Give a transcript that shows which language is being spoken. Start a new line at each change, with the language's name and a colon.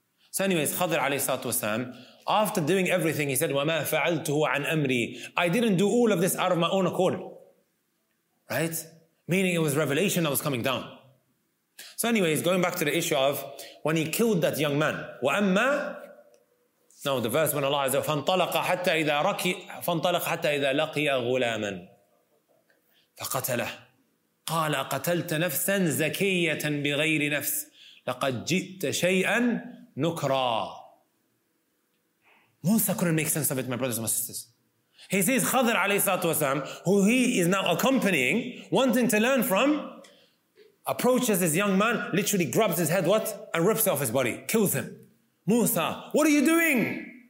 English: So anyways, Khadr alayhi salatu wasalam, after doing everything, he said,
Arabic: وَمَا فَعَلْتُهُ عَنْ أَمْرِي.
English: I didn't do all of this out of my own accord. Right? Meaning it was revelation that was coming down. So anyways, going back to the issue of when he killed that young man.
Arabic: وَأَمَّا
English: No, the verse when Allah says,
Arabic: فَانْطَلَقَ حَتَّى إِذَا لَقِيَ غُلَامًا فَقَتَلَهُ قَالَ قَتَلْتَ نَفْسًا زَكِيَّةً بِغَيْرِ نَفْسٍ لَقَدْ جِئْتَ شَيْئًا نُكْرًا.
English: Musa couldn't make sense of it, my brothers and my sisters. He sees Khadr alayhi salatu wasalam, who he is now accompanying, wanting to learn from, approaches this young man, literally grabs his head, what? And rips it off his body, kills him. Musa, what are you doing?